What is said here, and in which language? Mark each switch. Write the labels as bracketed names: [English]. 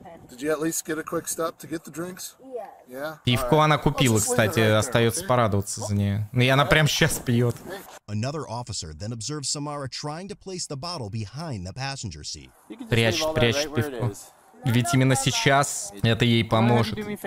[English] Did you at least get a quick stop to get the drinks? Yes. Yeah. [Russian] Пивко она купила, кстати, остается порадоваться за нее. Ну и она прямо сейчас пьет. [English] Another officer then observes Samara trying to place the bottle behind the passenger seat. [Russian] Прячет пивко. Ведь именно сейчас это ей поможет.